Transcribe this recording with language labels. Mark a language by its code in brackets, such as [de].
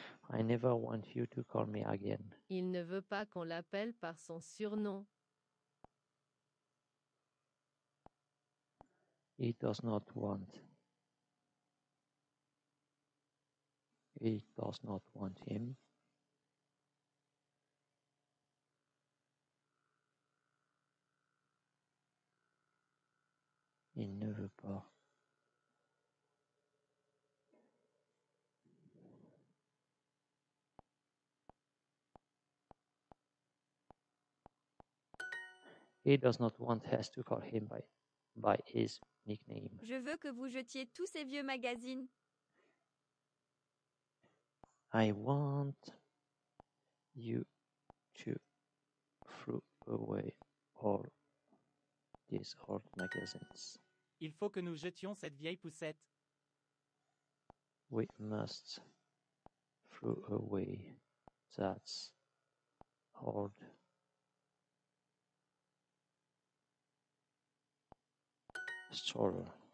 [en] I never want you to call me again. [fr] Il ne veut pas qu'on l'appelle par son surnom. [en] He does not want. He does not want him. [fr] Il ne veut pas. [en] He does not want us to call him by his nickname. [fr] Je veux que vous jetiez tous ces vieux magazines. [en] I want you to throw away all these old magazines. [fr] Il faut que nous jetions cette vieille poussette. [en] We must throw away that old. Stroller.